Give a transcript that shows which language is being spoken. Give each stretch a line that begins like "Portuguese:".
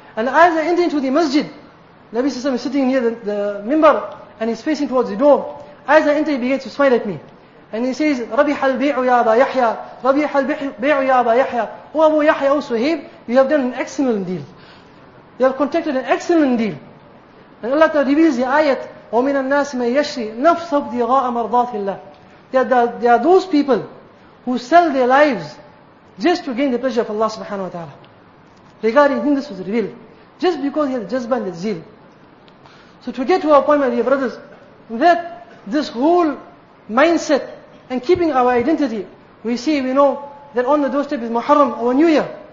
English: And as I enter into the masjid, Nabi sallallahu alayhi wa sallam is sitting near the minbar and he's facing towards the door. As I enter, he begins to smile at me. And he says,
Arabic: Rabiha al-bi'u ya Aba Yahya,
English: Rabiha al-bi'u ya Aba Yahya, O Abu Yahya, O Suhaib, you have done an excellent deal. You have contacted an excellent deal. And Allah Ta'ala reveals the ayat,
Arabic: وَمِنَ النَّاسِ مَنْ يَشْرِي نَفْسَ ابْتِغَاءَ مَرْضَاتِ اللَّهِ.
English: There are those people who sell their lives just to gain the pleasure of Allah subhanahu wa ta'ala. Regarding him, this was revealed. Just because he had jazba and the zeal. So to get to our point, my dear brothers, that this whole mindset and keeping our identity, we see, we know that on the doorstep is Muharram, our new year.